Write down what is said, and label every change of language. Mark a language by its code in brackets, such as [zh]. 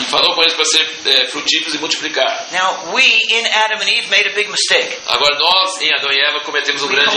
[pt] E falou com eles para ser frutíferos e multiplicar. [en] Now, we, in Adam and Eve, made a big mistake. [pt] Agora nós, em Adão e Eva, cometemos um grande